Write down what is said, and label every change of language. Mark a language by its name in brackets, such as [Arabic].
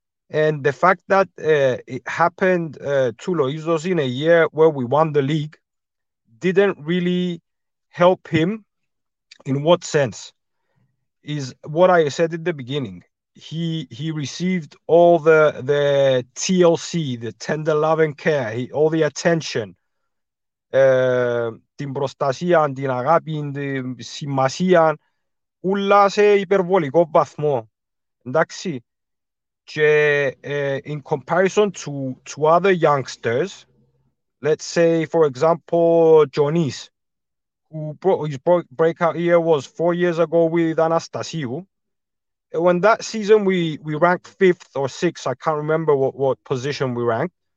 [English] And the fact that it happened to Loizos in a year where we won the league didn't really help him. In what sense? Is what I said at the beginning. He received all the TLC, the tender love and care, all the attention. [Greek] Την προστασία, την αγάπη, την σημασία, όλα σε υπερβολικό βαθμό. Εντάξει. [English] in comparison to other youngsters, let's say, for example, Jonis, who brought his breakout year was 4 years ago with Anastasiou. When that season we ranked fifth or sixth, I can't remember what position we ranked.